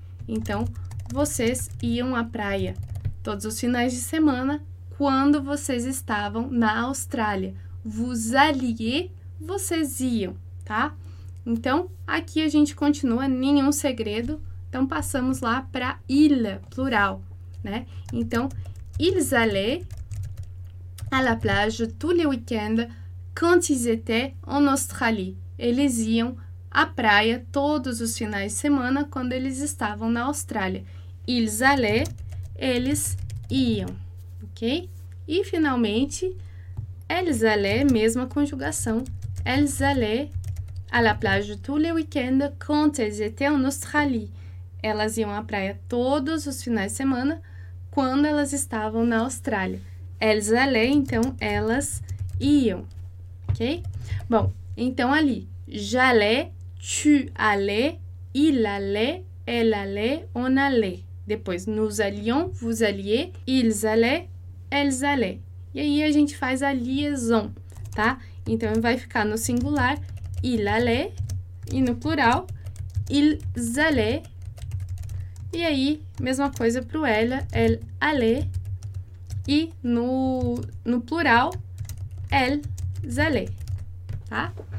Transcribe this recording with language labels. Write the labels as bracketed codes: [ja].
[pt] Então, vocês iam à praia todos os finais de semana quando vocês estavam na Austrália. [fr] Vous alliez, [pt] vocês iam, tá? Então, aqui a gente continua, nenhum segredo. Então, passamos lá para il, plural, né? [fr] Então, ils allaient à la plage tous les week-ends quand ils étaient en Australie. [pt] Eles iam à praia todos os finais de semana quando eles estavam na Austrália. [fr] Ils allaient, [pt] eles iam, ok? E, finalmente, [fr] elles allaient, [pt] mesma conjugação. [fr] Elles allaient à la plage tous les week-ends quand elles étaient en Australie. [pt] Elas iam à praia todos os finais de semana quando elas estavam na Austrália. [fr] Elles allaient, [pt] então, elas iam, ok? Bom, então ali, [fr] j'allais, tu allais, il allait, elle allait, on allait. [pt] Depois, [fr] nous allions, vous alliez, ils allaient, elles allaient. [pt] E aí a gente faz a liaison, tá? Então vai ficar no singular, [fr] il allait, [pt] e no plural, [fr] ils allaient. [pt] E aí, mesma coisa pro ela, [fr] elle allait. [pt] E no plural, [fr] elles allaient, [pt] tá?